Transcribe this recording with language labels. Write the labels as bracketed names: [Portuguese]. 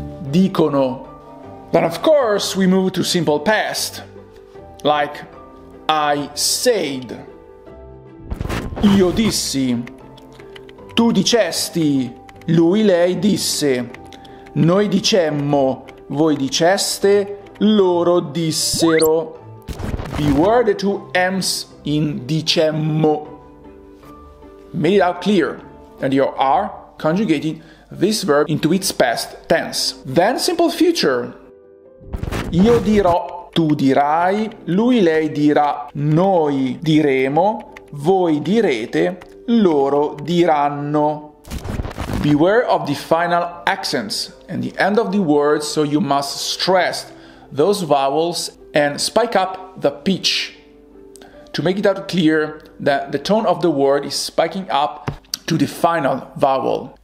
[Italian] Dicono. [English] Then of course we move to simple past, like I said, [Italian] io dissi, tu dicesti, lui lei disse, noi dicemmo, voi diceste, loro dissero. [English] Beware the two M's in dicemmo. Made it out clear that you are conjugating this verb into its past tense. Then simple future. [Italian] Io dirò, tu dirai, lui lei dirà, noi diremo, voi direte, loro diranno. [English] Beware of the final accents and the end of the words, so you must stress those vowels and spike up the pitch to make it out clear that the tone of the word is spiking up to the final vowel.